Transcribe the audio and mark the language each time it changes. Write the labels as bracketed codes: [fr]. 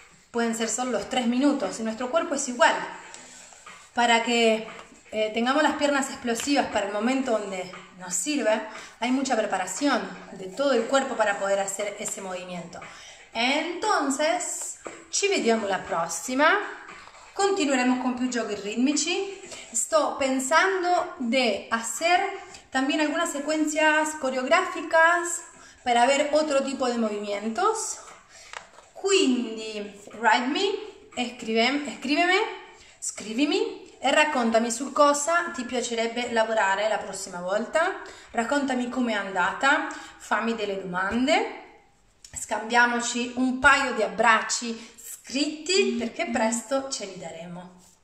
[es] Pueden ser solo los 3 minutos y nuestro cuerpo es igual. Para que tengamos las piernas explosivas para el momento donde nos sirve, hay mucha preparación de todo el cuerpo para poder hacer ese movimiento. Entonces, [it] ci vediamo la prossima. Continueremos con più giochi ritmici. Sto pensando [es] de hacer también algunas secuencias coreográficas para ver otro tipo de movimientos. [it] Quindi, [en] write me, [it] scrivimi e raccontami su cosa ti piacerebbe lavorare la prossima volta. Raccontami com'è andata, fammi delle domande. Scambiamoci un paio di abbracci scritti perché presto ce li daremo.